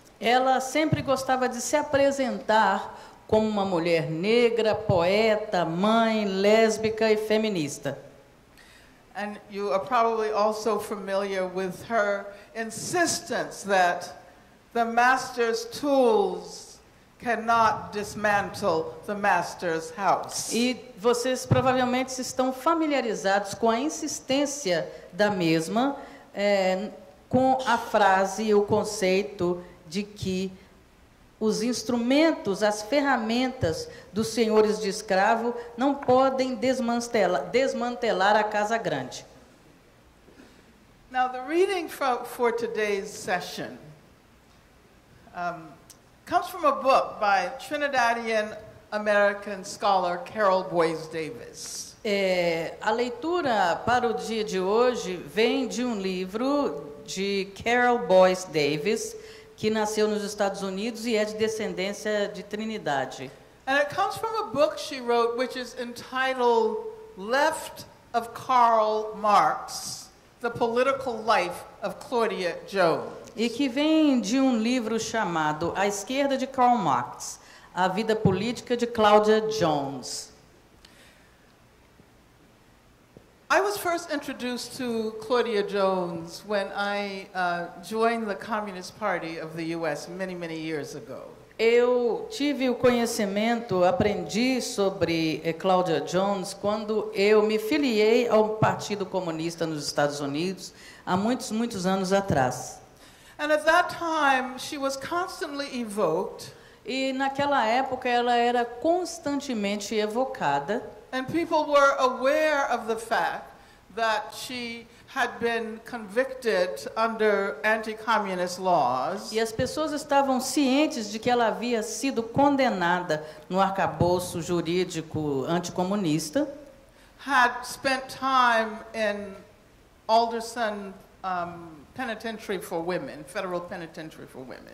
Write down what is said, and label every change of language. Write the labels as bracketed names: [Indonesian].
[Portuguese] Ela sempre gostava de se apresentar como uma mulher negra, poeta, mãe, lésbica e feminista. [English] And you are probably also familiar with her insistence that the master's tools cannot dismantle the master's house. [Portuguese] E vocês provavelmente estão familiarizados com a insistência da mesma com a frase e o conceito de que os instrumentos, as ferramentas dos senhores de escravo não podem desmantelar a casa grande. [English] Now the reading for today's session comes from a book by Trinidadian American scholar Carol Boyce Davis. [Portuguese] A leitura para o dia de hoje vem de um livro de Carol Boyce Davis, que nasceu nos Estados Unidos e é de descendência de Trinidade. [English] And it comes from a book she wrote which is entitled Left of Karl Marx: The Political Life of Claudia Jones. [Portuguese] E que vem de um livro chamado A Esquerda de Karl Marx, A Vida Política de Claudia Jones. [English] I was first introduced to Claudia Jones when I joined the Communist Party of the U.S. many, many years ago. [Portuguese] Eu tive o conhecimento, aprendi sobre Claudia Jones quando eu me filiei ao Partido Comunista nos Estados Unidos há muitos, muitos anos atrás. [English] And at that time, she was constantly evoked. [Portuguese] E naquela época ela era constantemente evocada. [English] And people were aware of the fact that she had been convicted under anti-communist laws. [Portuguese] E as pessoas estavam cientes de que ela havia sido condenada no arcabouço jurídico anticomunista. [English] Had spent time in Alderson Penitentiary for Women, Federal Penitentiary for Women.